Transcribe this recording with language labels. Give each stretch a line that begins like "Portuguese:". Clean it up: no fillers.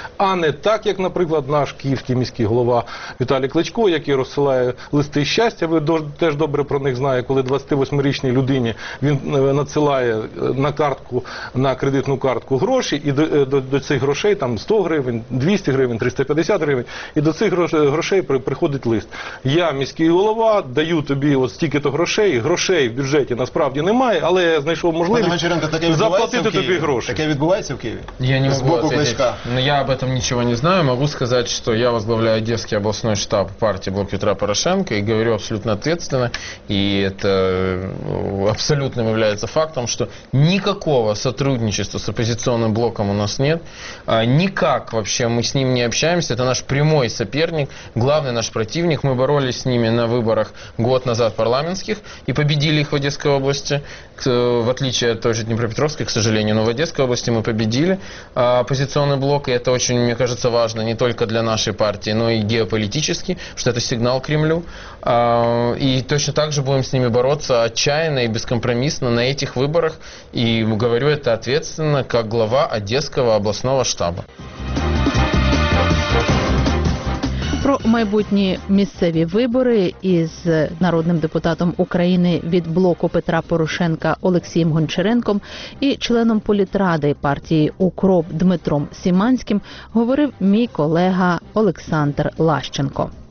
Ukrainian: А не так, як, наприклад, наш київський міський голова Віталій Кличко, який розсилає листи щастя, ви теж добре про них знаєте, коли 28-річній людині він надсилає на картку, на кредитну картку гроші, і до цих грошей там 100 гривень, 200 гривень, 350 гривень, і до цих грошей приходить лист. Я міський голова, даю тобі от стільки-то грошей, грошей в бюджеті насправді немає, але я знайшов можливість заплатити тобі гроші. Таке відбувається в Києві? Я не з боку Кличка.
Russian: Я об этом
Ukrainian: нічого не знаю, можу сказати,
Russian: что я возглавляю Одесский областной штаб партии «Блок Петра Порошенко» и говорю абсолютно ответственно, и это абсолютным является фактом, что никакого сотрудничества с оппозиционным блоком у нас нет. Никак вообще мы с ним не общаемся. Это наш прямой соперник, главный наш противник. Мы боролись с ними на выборах год назад парламентских и победили их в Одесской области. В отличие от той же Днепропетровской, к сожалению, но в Одесской области мы победили оппозиционный блок, и это очень, мне кажется, важно не только для нашей партии, но и геополитически, что это сигнал Кремлю. И точно так же будем с ними бороться отчаянно и бескомпромиссно на этих выборах, и говорю это ответственно, как глава Одесского областного штаба.
Ukrainian: про майбутні місцеві вибори із народним депутатом України від блоку Петра Порошенка Олексієм Гончаренком і членом політради партії «Укроп» Дмитром Сіманським говорив мій колега Олександр Лащенко.